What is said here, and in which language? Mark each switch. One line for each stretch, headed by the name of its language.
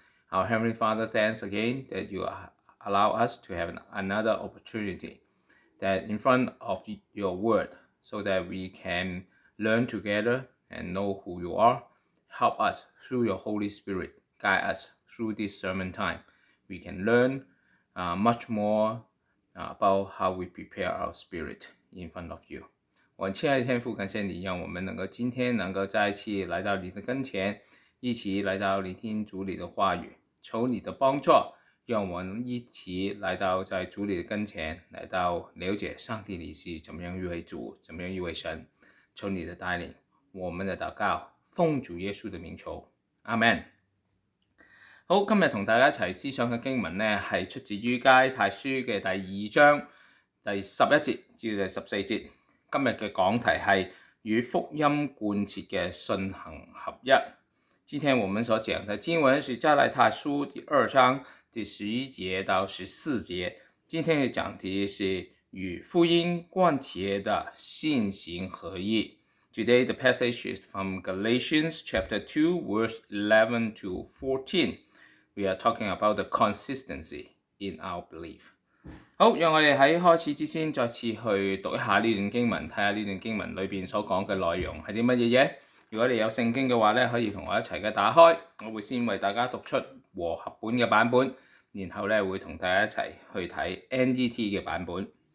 English: Our Heavenly Father, thanks again that you allow us to have another opportunity that in front of your word, so that we canLearn together and know who you are. Help us through your Holy Spirit. Guide us through this sermon time. We can learn much more about how we prepare our spirit in front of you.
Chinese: 我亲爱的天父，感谢你让我们能够今天能够再一次来到你的跟前，一起来到聆听主你的话语。求你的帮助，让我们一起来到在主你的跟前，来到了解上帝你是怎么样一位主，怎么样一位神。求你的带领，我们的祷告，奉主耶稣的名求，阿门。好，今天同大家一起思想的经文咧，系出自于加拉太书的第二章第十一节至第十四节。今天的讲题是与福音贯彻的信行合一。今天我们所讲的经文是加拉太书第二章第十一节到十四节。今天的讲题是。与福音贯彻的信行合一。
English: Today the passage is from Galatians chapter 2 verse 11 to 14. We are talking about the consistency in our belief.
Chinese: 好，让我们在开始之前再次去读一下这段经文，看看这段经文里面所讲的内容是什么。如果你有圣经的话，可以跟我一起打开，我会先为大家读出和合本的版本，然后会跟大家一起去看 NET 的版本。